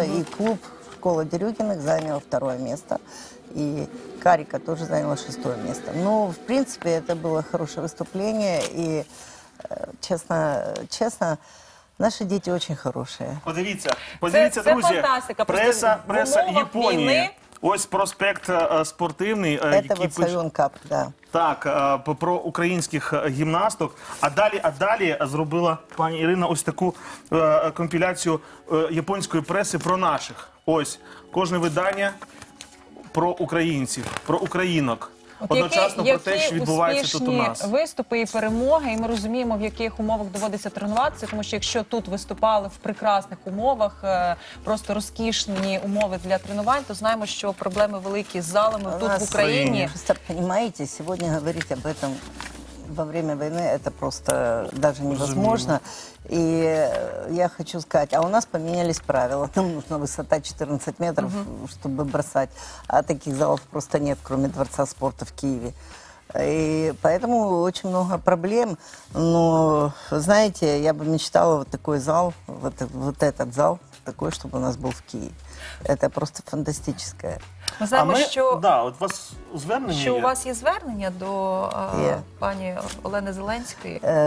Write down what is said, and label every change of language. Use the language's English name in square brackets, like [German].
[Russian] Mm-hmm. И клуб «Школа Дерюгиных» заняла второе место. И Карика тоже заняла шестое место. Ну, в принципе, это было хорошее выступление. И, честно, наши дети очень хорошие. [Ukrainian] Подивіться, друзі, преса Японії. Ось проспект спортивний. [Russian] Это вот пиш... Сайон Кап, да. [Ukrainian] Так, про українських гімнасток. А далі зробила пані Ірина ось таку компіляцію японської преси про наших. Ось, кожне видання... Про українців, про українок. Одночасно про те, що відбувається тут у нас. Які успішні виступи і перемоги, і ми розуміємо, в яких умовах доводиться тренуватися, тому що якщо тут виступали в прекрасних умовах, просто розкішні умови для тренувань, то знаємо, що проблеми великі з залами тут, в Україні. Просто розумієте, сьогодні говорити [Russian] об этом во время [Ukrainian] війни, це просто [Russian] даже невозможно. И я хочу сказать, а у нас поменялись правила. Нам нужна высота 14 метров, угу, чтобы бросать. А таких залов просто нет, кроме Дворца спорта в Киеве. И поэтому очень много проблем. Но, знаете, я бы мечтала вот такой зал, вот этот зал, такой, чтобы у нас был в Киеве. Это просто фантастическое. [Ukrainian] Ми знаємо, що, да, от вас звернення, що у вас є звернення до пані Олени Зеленської.